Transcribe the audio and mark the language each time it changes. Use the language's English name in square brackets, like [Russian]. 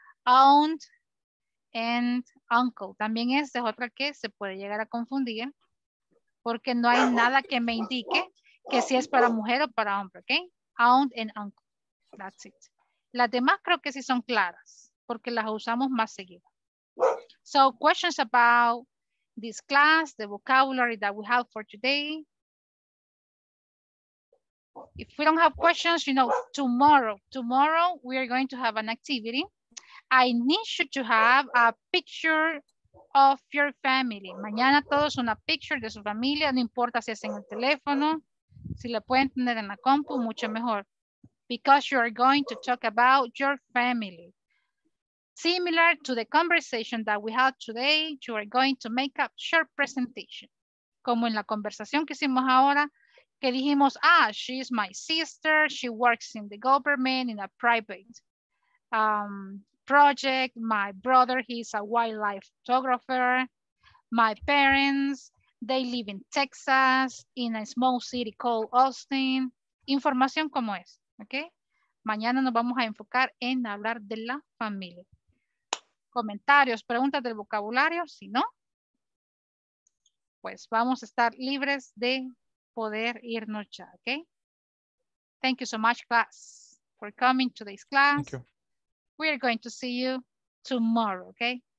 [English] Aunt and uncle, [Spanish] también esta es otra que se puede llegar a confundir porque no hay nada que me indique que si es para mujer o para hombre, ¿ok? [English] Aunt and uncle, that's it. [Spanish] Las demás creo que sí son claras porque las usamos más seguido. [English] So questions about this class, the vocabulary that we have for today. If we don't have questions, you know, tomorrow we are going to have an activity. I need you to have a picture of your family. [Spanish] Mañana todos una picture de su familia, no importa si es en el teléfono, si la pueden tener en la compu, mucho mejor. [English] Because you are going to talk about your family. Similar to the conversation that we had today, you are going to make a short presentation. [Spanish] Como en la conversación que hicimos ahora, que dijimos, ah, [English] she is my sister, she works in the government in a private project. My brother, he's a wildlife photographer. My parents, they live in Texas, in a small city called Austin. [Spanish] Información como es, okay? Mañana nos vamos a enfocar en hablar de la familia. Comentarios, preguntas del vocabulario, si no, pues vamos a estar libres de poder irnos ya, ok? [English] Thank you so much, class, for coming to this class. Thank you. We are going to see you tomorrow, ok?